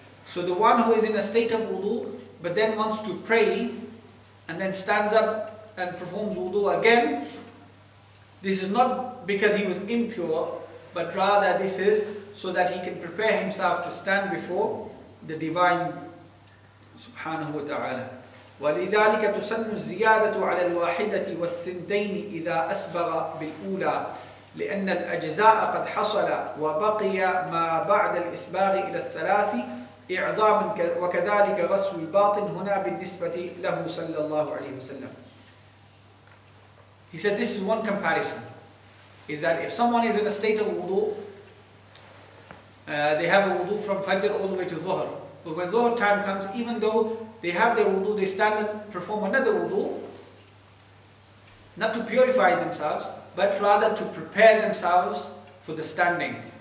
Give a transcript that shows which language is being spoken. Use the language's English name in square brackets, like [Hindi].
[English] So the one who is in a state of wudu but then wants to pray and then stands up and performs wudu again, this is not because he was impure, but rather this is so that he can prepare himself to stand before the Divine سبحانه وتعالى. [Arabic] ولذلك تسن الزيادة على الواحدة والثنتين إذا أسبغ بالأولى لأن الأجزاء قد حصل وبقي ما بعد الإسباغ إلى الثلاث إعظاما وكذلك غسل الباطن هنا بالنسبة له صلى الله عليه وسلم. [English] He said this is one comparison, is that if someone is in a state of wudu, they have a wudu from Fajr all the way to Zuhr. But when Zuhr time comes, even though they have their wudu, they stand and perform another wudu, not to purify themselves, but rather to prepare themselves for the standing.